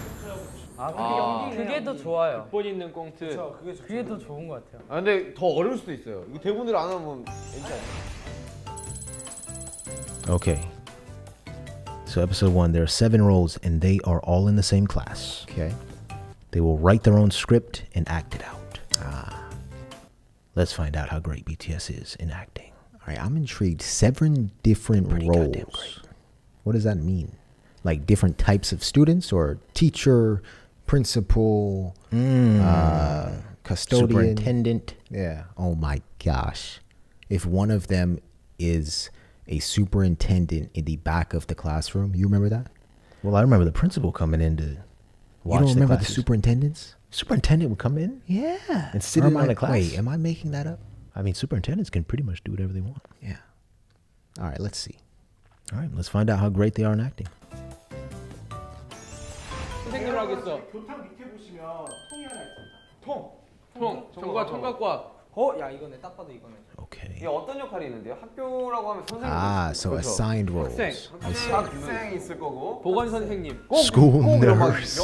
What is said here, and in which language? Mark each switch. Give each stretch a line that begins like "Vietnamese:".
Korean: 꽁트라고. 아, 아 그게 더 좋아요. 극본 있는 꽁트. 그쵸, 그게, 좋죠. 그게 더 좋은 것 같아요. 아, 근데 더 어려울 수도 있어요. 이거 대본으로 안 하면 괜찮아요. 오케이.
English: So episode one, there are seven roles and they are all in the same class. Okay. They will write their own script and act it out. Ah. Let's find out how great BTS is in acting. All right, I'm intrigued. Seven different roles. What does that mean? Like different types of students or teacher, principal, custodian. Superintendent. Yeah. Oh my gosh. If one of them is a superintendent in the back of the classroom. You remember that? Well, I remember the principal coming in to watch the You don't remember the superintendents? Superintendent would come in? Yeah. And sit in the class? Wait, am I making that up? I mean, superintendents can pretty much do whatever they want. Yeah. All right, let's see. All right, let's find out how great they are in acting.
Korean: 선생님으로 하겠어. 교탁 밑에 보시면 통이 하나 있습니다. 통! 통! 전과 청각과. 어? 야, 이거네. 딱 봐도 이거네. 오케이. 이게 어떤 역할이 있는데요? 학교라고 하면 선생님.
English: 아, so
Korean: 그렇죠.
English: assigned roles.
Korean: 학생. 학생이 있을 거고. 보건 선생님.
English: School nurse.